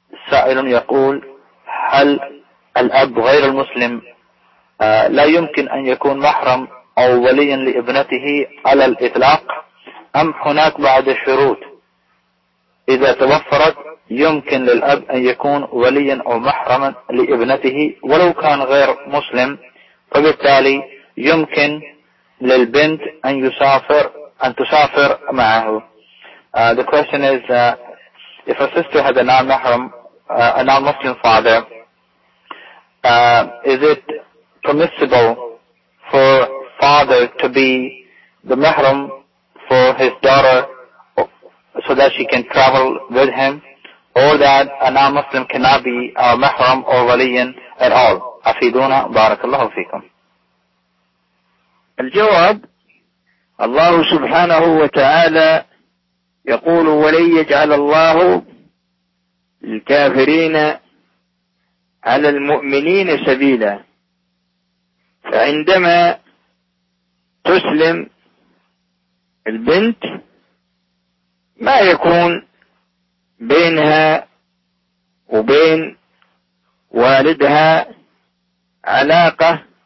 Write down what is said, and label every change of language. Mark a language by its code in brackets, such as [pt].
[ar] سائل يقول هل الأب غير المسلم لا يمكن أن يكون محرم أو وليا لابنته على الإطلاق أم هناك بعض الشروط؟ إذا توفرت يمكن للأب أن يكون وليا أو محرما لابنته ولو كان غير مسلم، فبالتالي يمكن للبنت أن تسافر معه. [en] The question is, if a sister had a non-mahram, a non-Muslim father, is it permissible for father to be the mahram for his daughter so that she can travel with him, or that a non-Muslim cannot be a mahram or waliyan at all? [ar] Afiduna, barakallahu feekum. Al-jawab, Allah subhanahu wa ta'ala يقول ولي يجعل الله الكافرين على المؤمنين سبيلا. فعندما تسلم البنت ما يكون بينها وبين والدها علاقة